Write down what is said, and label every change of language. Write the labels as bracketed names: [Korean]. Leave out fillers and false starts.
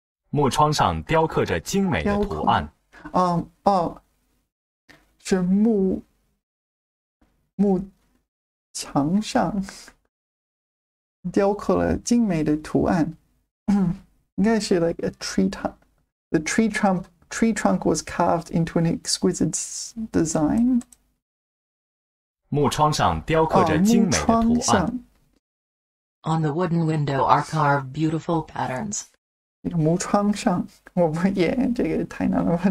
[Chinese] 木窗上雕刻着精美的图案。是木墙上雕刻了精美的图案。应该是 [English] like a tree trunk. The tree trunk was carved into an exquisite design. [Chinese] 木窗上雕刻着精美的图案。 [English] On the wooden window are carved beautiful patterns. [Chinese] 木窗上，我不也这个太难了吧？